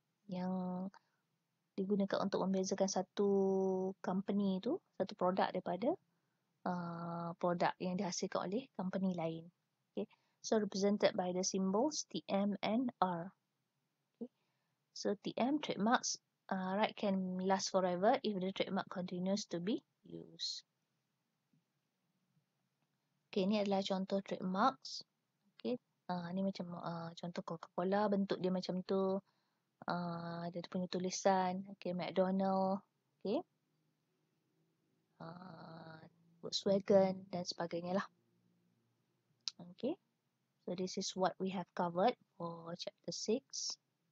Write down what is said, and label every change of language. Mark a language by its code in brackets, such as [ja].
[ms] yang digunakan untuk membezakan satu company itu, satu produk daripada produk yang dihasilkan oleh company lain. [en] Okay. So, represented by the symbols TM and R. Okay. So, TM, trademarks, right, can last forever if the trademark continues to be used. [ms] Okay, ini adalah contoh trademarks. Okay, ini macam contoh Coca-Cola, bentuk dia macam tu. Dia punya tulisan. Okay, McDonald's. Okay. Volkswagen dan sebagainya lah. [en] Okay. So, this is what we have covered for chapter 6.